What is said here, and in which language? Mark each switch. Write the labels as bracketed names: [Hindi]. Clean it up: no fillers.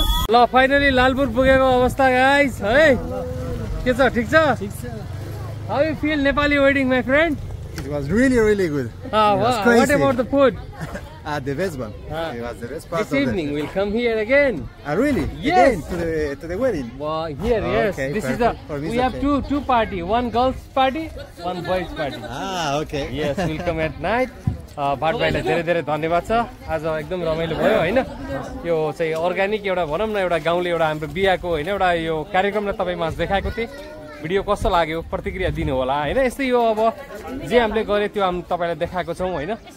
[Nepali] ल फाइनली लालपुर पुगेको अवस्था गाइस, है के छ, ठिक छ? [English] How you feel Nepali wedding, my friend? It was really, really good. What about the food? The best one. It was the best part. This evening we'll come here again. Really? Yes. Again to the wedding. Well, here, yes. Okay, this perfect. We have two party. One girls party, one boys party. Okay. Yes, we'll come at night. [Nepali] भाट भाइलाई धेरै धेरै धन्यवाद छ, आज एकदम रमाइलो भयो होइन। यो चाहिँ अर्ग्यानिक एउटा भनौँ न एउटा गाउँले एउटा हाम्रो बिहाको होइन एउटा यो कार्यक्रमलाई तपाईँमा देखाएको थिएँ। भिडियो कस्तो लाग्यो प्रतिक्रिया दिनु होला होइन। यस्तै यो अब जे हामीले गरे त्यो हामी तपाईँलाई देखाएको छौँ होइन।